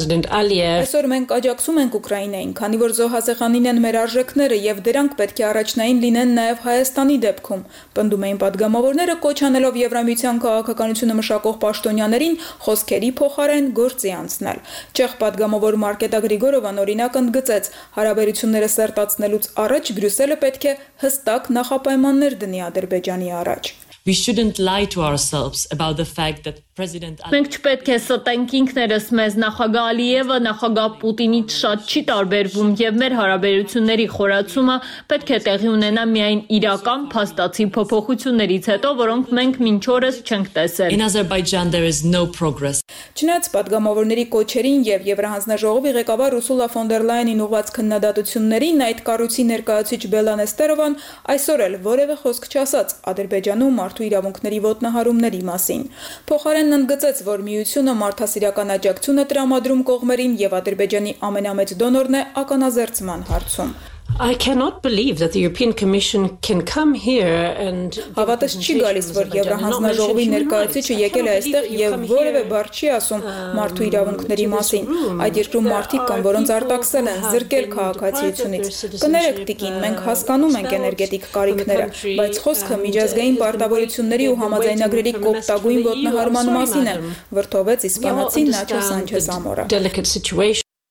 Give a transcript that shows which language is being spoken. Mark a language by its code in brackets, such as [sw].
[hy] «Այսօր մենք աջակցում ենք Ուկրաինային, քանի որ զոհասեղանին են մեր արժեքները և դրանք պետք է առաջնային լինեն նաև Հայաստանի դեպքում»՝ պնդում էին պատգամավորները, կոչանելով Եվրամիության քաղաքականությունը մշակող պաշտոնյաներին խոսքերի փոխարեն գործի անցնել։ Չեխ պատգամավոր Մարկետա Գրիգորովան օրինակ ընդգծեց, հարաբերությունները սերտացնելուց առաջ Բրյուսելը պետք է հստակ նախապայմաններ դնի Ադրբեջանի առաջ։ [en] We shouldn't lie to ourselves about the fact that President [hy] Ali Մենք չպետք է ստենք ինքներս մեզ, նախագահ Ալիևը նախագահ Պուտինից շատ չի տարբերվում եւ մեր հարաբերությունների խորացումը պետք է տեղի ունենա միայն իրական փաստացի փոփոխություններից հետո, որոնք մենք մինչ օրս չենք տեսել։ [en] In Azerbaijan there is no progress։ [hy] Չնայած պատգամավորների կոչերին եւ Եվրահանձնաժողովի ղեկավար Ուրսուլա ֆոն դեր Լայենին ուղված քննադատություններին, այդ կառույցի ներկայացուցիչ Բելան Էստերովան այսօր էլ որևէ խոսք չասաց Ադրբեջանում մարդու իրավունքների ոտնահարումների մասին։ Փոխարենն ընդգծեց, որ միությունը մարդասիրական աջակցություն է տրամադրում կողմերին և Ադրբեջանի ամենամեծ դոնորն է ականաձերծման հարցում։ [en] I cannot believe that the European Commission can come here and [hy] Հավատս չի գալիս, որ Եվրահանձնաժողովի ներկայացուցիչը եկել է այստեղ եւ որևէ բառ չի ասում մարդու իրավունքների մասին։ Այդ երկրում մարդիկ կան, որոնց արտաքսել են, զրկել քաղաքացիությունից։ Կներեք տիկին, մենք հասկանում ենք էներգետիկ կարիքները, բայց խոսքը միջազգային պարտավորությունների ու համաձայնագրերի կոպտագույն ոտնահարման մասին է, վրթովեց իսպանացի Նաչո Սանչես Ամորը։